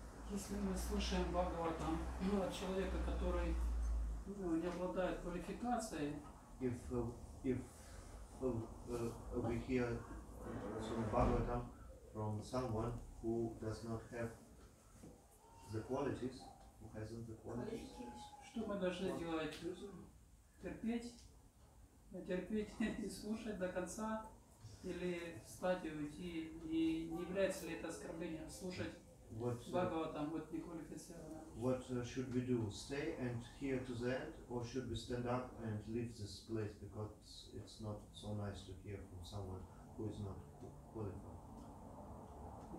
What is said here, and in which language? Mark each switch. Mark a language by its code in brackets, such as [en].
[en] He's doing the Slushan Bhagavatam, you are a [ru] человека, который не обладает квалификацией. [en] If we hear some Bhagavatam from someone who does not have the qualities, who hasn't the qualities. [ru] Что мы должны делать? Терпеть и слушать до конца, или встать и уйти? И не является ли это оскорблением слушать Бхагаватам, вот неквалифицированно? [en] What should we do? Stay and hear to the end, or should we stand up and leave this place because it's not so nice to hear from someone who is not qualified?